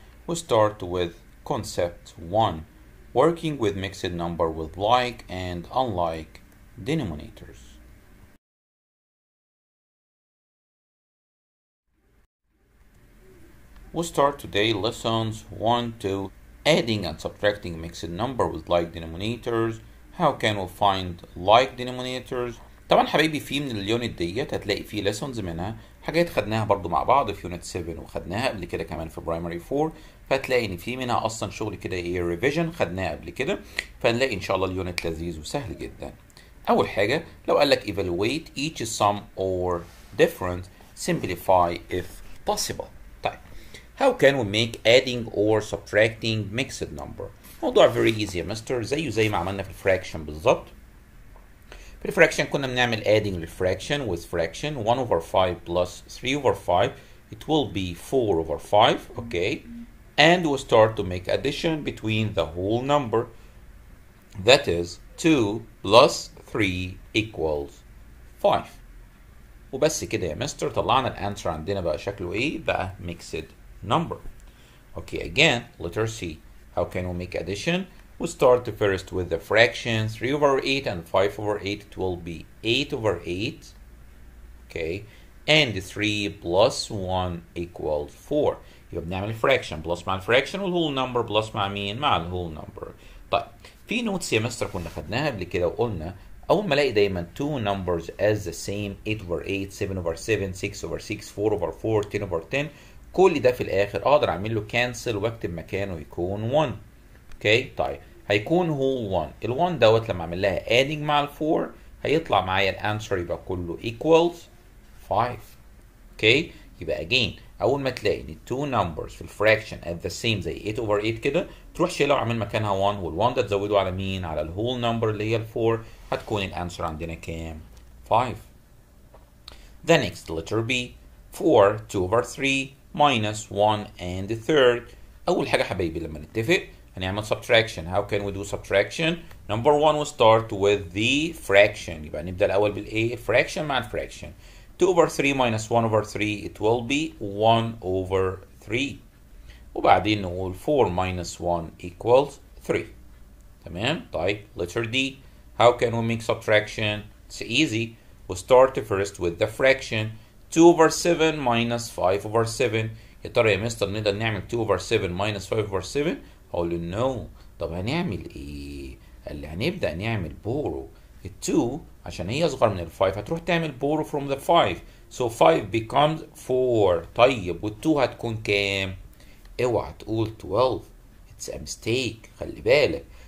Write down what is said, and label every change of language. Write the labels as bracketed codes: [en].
[en] We'll start with Concept 1 Working with Mixed Number with Like and Unlike Denominators. We'll start today lessons 1, 2, adding and subtracting mixed number with like denominators. How can we find like denominators? [ar] طبعا حبيبي في من اليونت ديت هتلاقي فيه lessons منها حاجات خدناها برضو مع بعض في يونت 7 وخدناها قبل كده كمان في برايمري 4، فهتلاقي ان في منها اصلا شغل كده ايه revision خدناها قبل كده، فهنلاقي ان شاء الله اليونت لذيذ وسهل جدا. اول حاجة لو قال لك [en] evaluate each sum or difference, simplify if possible. How can we make adding or subtracting mixed number? [ar] موضوع [en] very easy [ar] يا مستر، زيه زي ما عملنا في الفراكشن بالظبط. في الفراكشن كنا بنعمل [en] adding للفراكشن with fraction 1 over 5 plus 3 over 5 it will be 4 over 5 okay and we'll start to make addition between the whole number that is 2 plus 3 equals 5. [ar] وبس كده يا مستر طلعنا الانسر عندنا بقى شكله ايه بقى mixed number. [en] Okay, again, letter C. How can we make addition? We start the first with the fraction 3 over 8 and 5 over 8. It will be 8 over 8. Okay, and 3 plus 1 equals 4. You have [ar] نعمل [en] fraction. Plus مع fraction with whole number. Plus مع mean مع whole number. [ar] طيب في نوتس يا مستر كنا خدناها قبل كده وقلنا أول ما ألاقي دايما [en] two numbers as the same [ar] 8 over 8, 7 over 7, 6 over 6, 4 over 4, 10 over 10. كل ده في الاخر اقدر اعمل له cancel واكتب مكانه يكون 1. اوكي طيب هيكون هو 1 ال1 دوت لما اعمل لها adding مع ال4 هيطلع معايا الانسر يبقى كله equals 5. اوكي يبقى again اول ما تلاقي ان [en] two numbers [ar] في الفراكشن at the same زي 8 over 8 كده تروح شيلها وعمل مكانها 1 وال1 ده تزوده على مين على الهول نمبر اللي هي ال4 هتكون الانسر عندنا كام 5. [en] The next letter B 4 2 over 3 minus 1 and the third. [ar] أول حاجة حبيبي لما نتفق هنعمل subtraction. [en] How can we do subtraction? Number 1 we'll start with the fraction. [ar] يبقى نبدأ الأول بالـ A fraction مع fraction. [en] 2 over 3 minus 1 over 3 [ar] it will be 1 over 3. وبعدين نقول [en] 4 minus 1 equals 3. [ar] تمام؟ طيب letter D. [en] How can we make subtraction? It's easy. We'll start first with the fraction. 2 over 7 minus 5 over 7. [ar] يا ترى يا مستر نقدر نعمل [en] 2 over 7 minus 5 over 7؟ [ar] هقول له نو. طب هنعمل ايه؟ قال لي هنبدا نعمل بورو. ال 2 عشان هي اصغر من ال 5 هتروح تعمل بورو from the 5. [en] So 5 becomes 4. [ar] طيب وال 2 هتكون كام؟ اوعى تقول 12. [en] It's a mistake. [ar] خلي بالك.